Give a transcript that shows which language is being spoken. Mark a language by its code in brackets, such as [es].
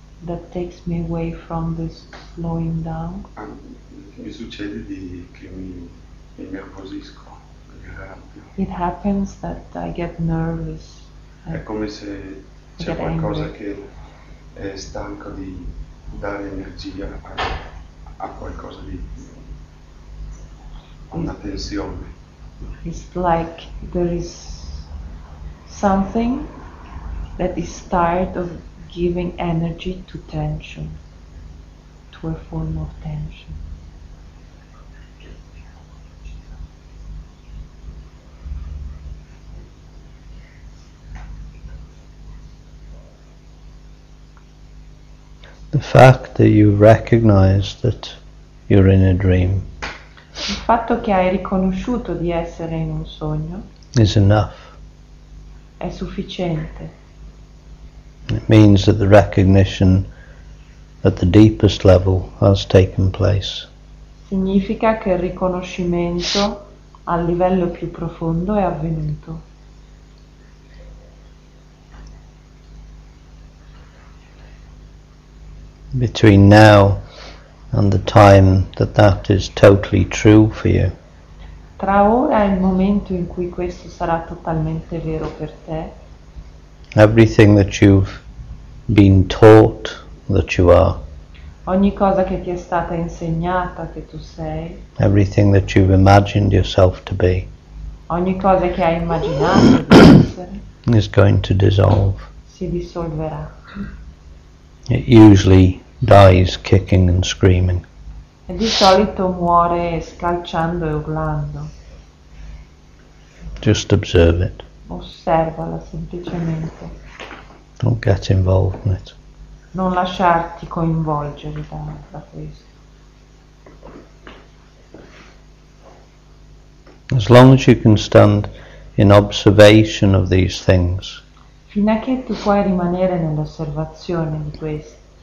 [en] that takes me away from this slowing down. [it] Mi succede di che mi nervosisco, mi arrabbio. [en] It happens that I get nervous. [it] È come se c'è qualcosa che è stanco di dare energia a qualcosa di una tensione. [en] It's like there is something that is tired of giving energy to tension, to a form of tension. The fact that you recognize that you're in a dream, [it] il fatto che hai riconosciuto di essere in un sogno, [en] is enough. [it] È sufficiente. [en] It means that the recognition at the deepest level has taken place. [it] Significa che il riconoscimento a livello più profondo è avvenuto. [en] Between now and the time that that is totally true for you. [it] Tra ora e il momento in cui questo sarà totalmente vero per te. [en] Everything that you've been taught that you are. [it] Ogni cosa che ti è stata insegnata che tu sei. [en] Everything that you've imagined yourself to be. [it] Ogni cosa che hai immaginato di essere. [en] Is going to dissolve. [it] Si dissolverà. [en] It usually dies kicking and screaming. [it] E di solito muore scalciando e urlando. [en] Just observe it. [it] Osservala semplicemente. [en] Don't get involved in it. [it] Non lasciarti coinvolgere da questo. [en] As long as you can stand in observation of these things. [it] Fino a che tu puoi rimanere nell'osservazione di questi.